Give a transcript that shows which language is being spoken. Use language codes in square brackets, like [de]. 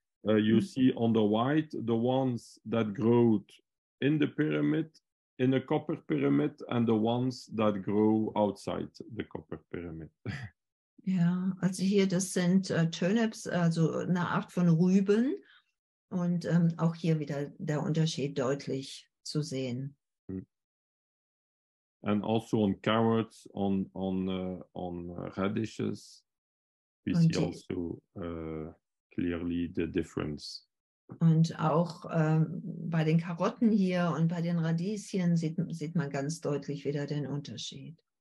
[en] You see on the white the ones that grow in the pyramid, in a copper pyramid, and the ones that grow outside the copper pyramid. [de] Ja, also hier, das sind Turnips, also eine Art von Rüben. Und auch hier wieder der Unterschied deutlich zu sehen. [en] And also on carrots, on radishes, we see also clearly the difference. [de] Und auch bei den Karotten hier und bei den Radieschen sieht man ganz deutlich wieder den Unterschied.